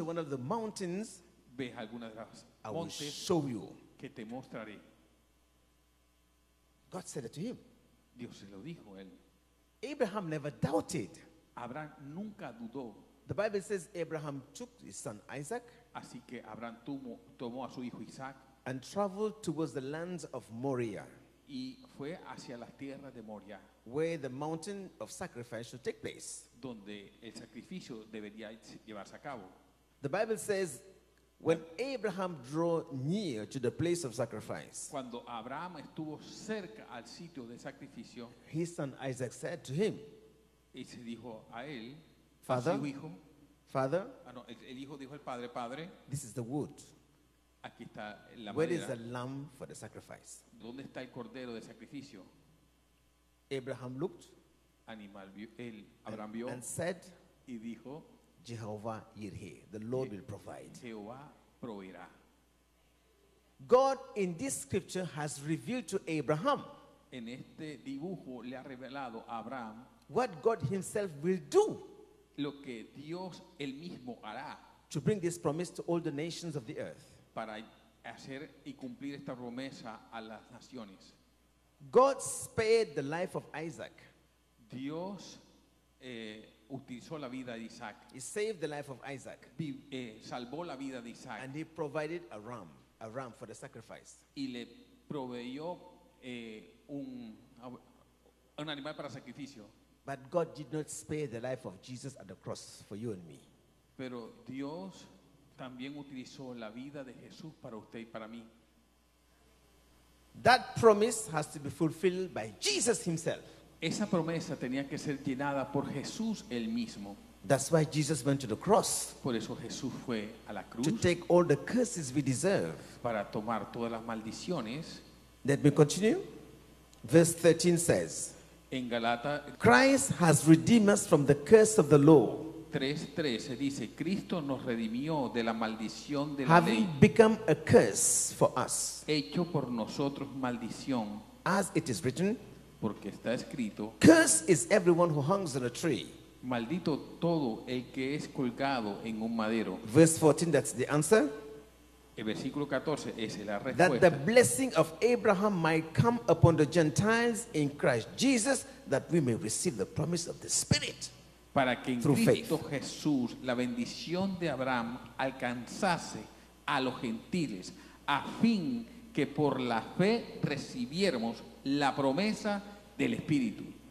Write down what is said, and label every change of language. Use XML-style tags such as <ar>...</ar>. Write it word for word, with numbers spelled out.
<en>one of the mountains</en> <es>Ves algunas de las</es> <en>I will</en> <es>montes</es> <en>show you.</en> <es>que te mostraré.</es> <en>God said it to him.</en> <es>Dios se lo dijo a él.</es> <en>Abraham never doubted.</en> <es>Abraham nunca dudó,</es> <en>The Bible says Abraham took his son Isaac</en> <es>así que Abraham tomó, tomó a su hijo Isaac</es> <en>and traveled towards the lands of Moriah,</en> <es>y fue hacia las tierras de Moria,</es> <en>where the mountain of sacrifice should take place.</en> <es>donde el sacrificio debería llevarse a cabo.</es> <en>The Bible says when Abraham drew near to the place of sacrifice,</en> <es>Cuando Abraham estuvo cerca al sitio de sacrificio,</es> <en>his son Isaac said to him,</en> <es>y se dijo a él, a</es> <en>Father.</en> <es>su hijo,</es> <en>Father,</en> <es>ah, no, el, el hijo dijo al padre, padre,</es> <en>this is the wood.</en> <es>aquí está la</es> <en>Where is the</en> <es>madera,</es> <en>lamb for the sacrifice?</en> <es>¿dónde está el cordero de sacrificio?</es> <en>Abraham looked</en> <es>Animal vio, él,</es> <en>and,</en> <es>Abraham vio</es> <en>and said,</en> <es>y dijo,</es> <en>Jehovah Yireh, the Lord will provide.</en> <es>Jehová proveerá.</es> <en>God in this scripture has revealed to Abraham</en> <es>En este dibujo le ha revelado a Abraham</es> <en>what God himself will do</en> <es>lo que Dios él mismo hará</es> <en>to bring this promise to all the nations of the earth.</en> <es>para hacer y cumplir esta promesa a las naciones.</es> <en>God spared the life of Isaac.</en> <es>Dios eh, utilizó la vida de Isaac,</es> <en>He saved the life of Isaac.</en> <es>vi- eh, salvó la vida de Isaac</es> <en>And he provided a ram, a ram for the sacrifice.</en> <es>y le proveyó eh, un, un animal para sacrificio.</es> <en>But God did not spare the life of Jesus at the cross for you and me.</en> <es>Pero Dios también utilizó la vida de Jesús para usted y para mí.</es> <en>That promise has to be fulfilled by Jesus himself.</en> <es>Esa promesa tenía que ser llenada por Jesús él mismo.</es> <en>That's why Jesus went to the cross</en> <es>Por eso Jesús fue a la cruz</es> <en>to take all the curses we deserve.</en> <es>para tomar todas las maldiciones.</es> <en>Let me continue. Verse thirteen says,</en> <es>En Galata</es> <en>Christ has redeemed us from the curse of the law,</en> <es>tres trece dice, Cristo nos redimió de la maldición de la</es> <en>having</en> <es>ley,</es> <en>become a curse for us.</en> <es>hecho por nosotros maldición,</es> <en>As it is written,</en> <es>porque está escrito,</es> <en>curse is everyone who hangs on a tree.</en> <es>maldito todo el que es colgado en un madero.</es> <en>Verse fourteen, that's the answer.</en> <es>El versículo catorce es la</es> <en>That the</en> <es>respuesta.</es> <en>blessing of Abraham might come upon the Gentiles in Christ Jesus, that we may receive the promise of the Spirit.</en> <es>Para que en</es> <en>Through</en> <es>Cristo Jesús la bendición de Abraham alcanzase a los gentiles, a fin que por la fe recibiéramos la promesa del Espíritu.</es>